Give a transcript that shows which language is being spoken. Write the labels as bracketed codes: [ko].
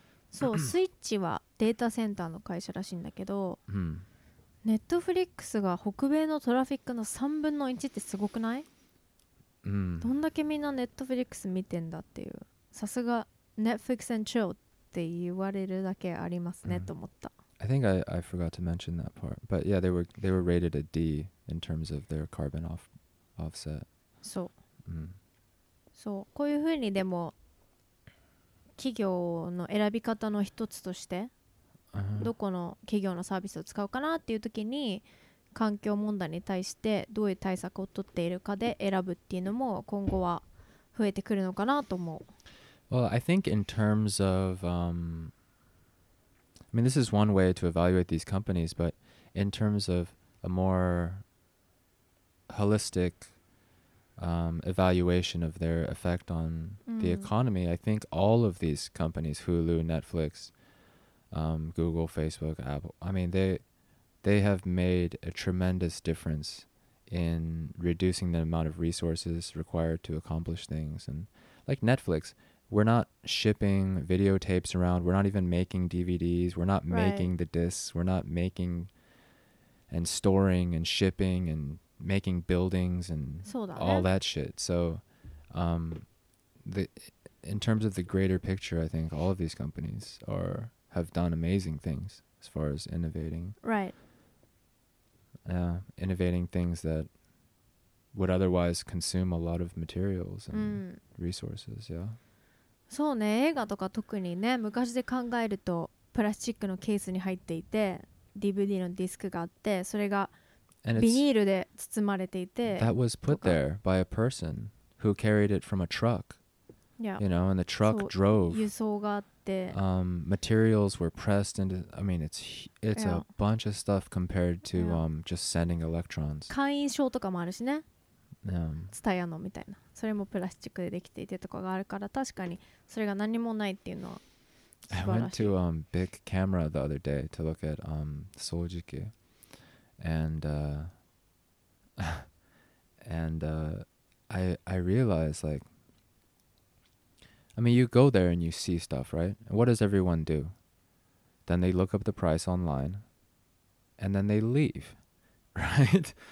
[ja] そう、スイッチはデータセンターの会社らしいんだけど、ネットフリックスが北米のトラフィックの3分の1ってすごくない？どんだけみんなネットフリックス見てんだっていう。さすが [en] Netflix and chill [ja] って言われるだけありますねと思った。 [en] I think I forgot to mention that part. But yeah, they were rated a D in terms of their carbon offset. [ja] そう。 Mm. そう、こういうふうにでも企業の選び方の一つとして、どこの企業のサービスを使うかなっていう時に、環境問題に対してどういう対策を取っているかで選ぶっていうのも今後は増えてくるのかなと思う。 [en] Well, I think in terms of, I mean, this is one way to evaluate these companies, but in terms of a more holistic, evaluation of their effect on the economy, I think all of these companies, Hulu, Netflix, Google, Facebook, Apple, I mean, they have made a tremendous difference in reducing the amount of resources required to accomplish things. And like Netflix, we're not shipping videotapes around. We're not even making DVDs. We're not making the discs. We're not making and storing and shipping and making buildings and all that shit. So, in terms of the greater picture, I think all of these companies have done amazing things as far as innovating. Right. Yeah, innovating things that would otherwise consume a lot of materials and resources, yeah. [ja] そうね、映画とか特にね、昔で考えるとプラスチックのケースに入っていて、DVD のディスクがあって、それがビニールで包まれていて、 [en] That was put there by a person who carried it from a truck. Yeah. You know, and the truck drove. [ja] 輸送があって、 [en] materials were pressed into, I mean, it's a bunch of stuff compared to just sending electrons. [ja] 会員証とかもあるしね。 [en] Yeah. [ja] ツタヤのみたいな。それもプラスチックでできていてとかがあるから確かにそれが何もないっていうのは素晴らしい。 [en] I went to Big Camera the other day to look at 掃除機 and I realized like I mean you go there and you see stuff right? And what does everyone do? Then they look up the price online and then they leave right?